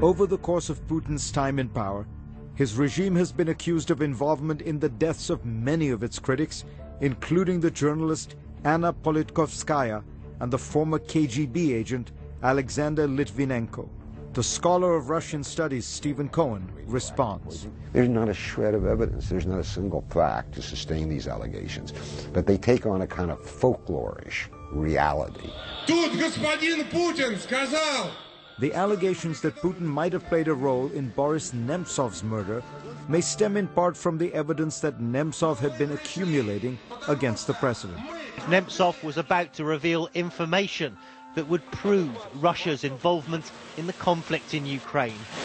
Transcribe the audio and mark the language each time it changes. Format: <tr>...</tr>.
<en>Over the course of Putin's time in power, his regime has been accused of involvement in the deaths of many of its critics, including the journalist Anna Politkovskaya and the former KGB agent Alexander Litvinenko. The scholar of Russian studies, Stephen Cohen, responds. There's not a shred of evidence, there's not a single fact to sustain these allegations, but they take on a kind of folklorish reality.</en> <ru>Тут господин Путин сказал!</ru> <en>The allegations that Putin might have played a role in Boris Nemtsov's murder may stem in part from the evidence that Nemtsov had been accumulating against the president. Nemtsov was about to reveal information that would prove Russia's involvement in the conflict in Ukraine.</en>